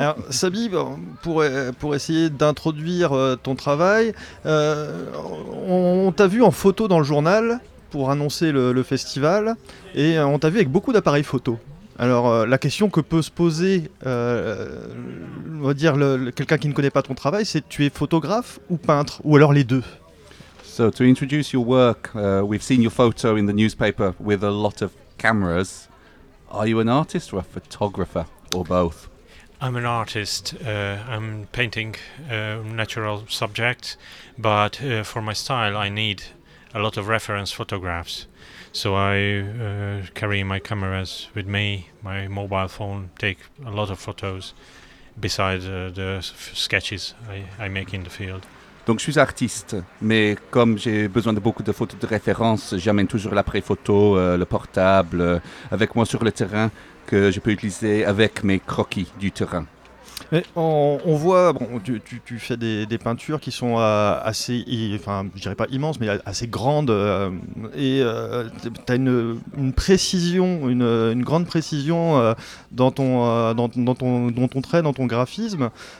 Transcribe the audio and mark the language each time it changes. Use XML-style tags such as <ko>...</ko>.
<fr>Alors, Sabi, pour essayer d'introduire ton travail, on t'a vu en photo dans le journal pour annoncer le festival, et on t'a vu avec beaucoup d'appareils photo. Alors, la question que peut se poser, quelqu'un qui ne connaît pas ton travail, c'est tu es photographe ou peintre, ou alors les deux.</fr> <en>So, to introduce your work, we've seen your photo in the newspaper with a lot of cameras. Are you an artist or a photographer, or both? I'm an artist. I'm painting natural subjects, but for my style, I need a lot of reference photographs. So I carry my cameras with me, my mobile phone, take a lot of photos besides the sketches I make in the field.</en> <fr>Donc je suis artiste, mais comme j'ai besoin de beaucoup de photos de référence, j'amène toujours l'appareil photo, le portable, avec moi sur le terrain, que je peux utiliser avec mes croquis du terrain. Mais on voit, bon, tu fais des peintures qui sont assez, enfin, je dirais pas immenses, mais assez grandes, et t'as une grande précision dans ton graphisme.</fr>